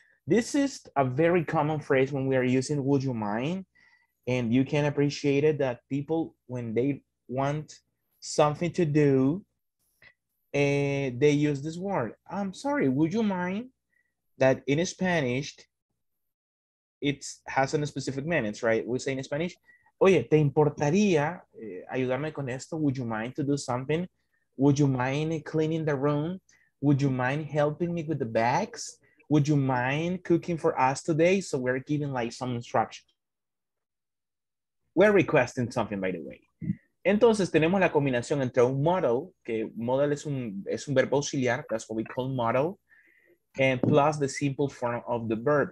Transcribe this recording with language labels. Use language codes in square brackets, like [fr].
[en] This is a very common phrase when we are using would you mind, and you can appreciate it that people, when they want something to do, they use this word. I'm sorry, would you mind? That in Spanish, it has a specific meaning, right? We say in Spanish, [es] oye, te importaría ayudarme con esto? [en] Would you mind to do something? Would you mind cleaning the room? Would you mind helping me with the bags? Would you mind cooking for us today? So we're giving like some instruction. We're requesting something, by the way. [es] Entonces, tenemos la combinación entre un model, que model es un verbo auxiliar, [en] that's what we call model, and plus the simple form of the verb.